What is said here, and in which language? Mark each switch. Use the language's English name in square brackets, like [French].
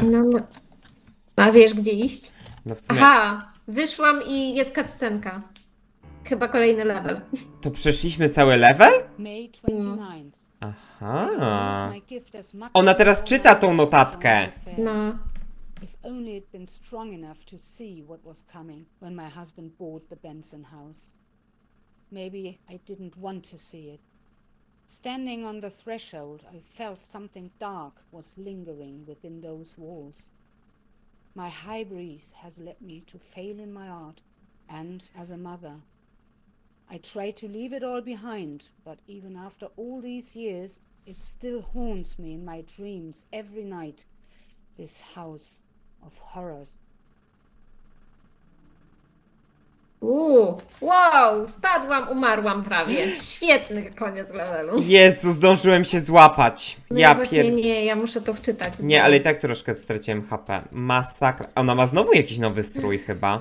[Polish] No. A wiesz, gdzie iść? No w sumie... Aha! Wyszłam i jest cutscenka. Chyba kolejny level. To przeszliśmy cały level? No. Aha. Ona teraz czyta tą notatkę. No. [English] If only it'd been strong enough to see what was coming when my husband bought the Benson house. Maybe I didn't want to see it. Standing on the threshold, I felt something dark was lingering within those walls. My high breeze has led me to fail in my art and as a mother. I try to leave it all behind, but even after all these years, it still haunts me in my dreams every night, this house of horrors. [Polish] Uuu, wow, spadłam, umarłam prawie. Świetny koniec levelu. Jezu, zdążyłem się złapać. No ja właśnie nie, ja muszę to wczytać. Nie, ale i tak troszkę straciłem HP. Masakra. Ona ma znowu jakiś nowy strój chyba.